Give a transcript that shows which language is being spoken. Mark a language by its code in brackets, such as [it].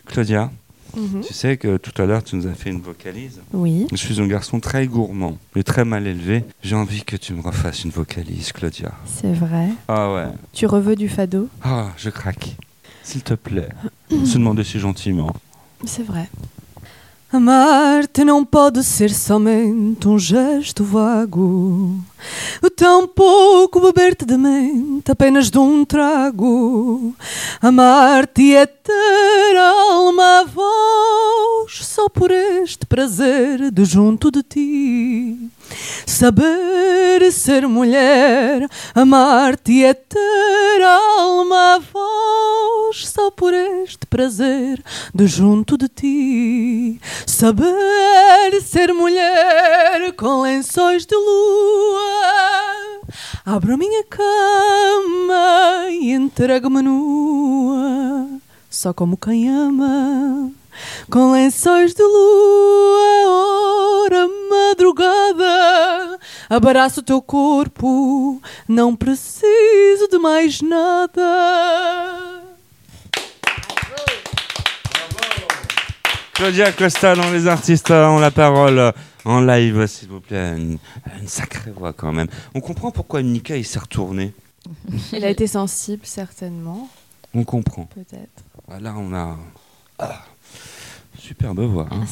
[fr] Claudia, tu sais que tout à l'heure, tu nous as fait une vocalise. Oui. Je suis un garçon très gourmand et très mal élevé. J'ai envie que tu me refasses une vocalise, Claudia. C'est vrai. Ah ouais. Tu reveux du fado? Ah, je craque. S'il te plaît, se demander si gentiment. C'est vrai. [pt] Amarte non pode ser somente un gesto vago, tampouco beber-te de mente apenas de um trago. Amarte é ter alma a voz, só por este prazer de junto de ti. Saber ser mulher, amar-te é ter alma a voz, só por este prazer de junto de ti. Saber ser mulher com lençóis de lua, abro a minha cama e entrego-me nua, só como quem ama. Com lençóis de lua, ora madrugada, abraço o teu corpo, não preciso de mais nada. [fr] Claudia Costa, dans Les Artistes ont la parole, en live, s'il vous plaît, une sacrée voix quand même. On comprend pourquoi Nika il s'est retourné. Il a été sensible, certainement. On comprend. Peut-être. Là, on a... Superbe voix. Hein.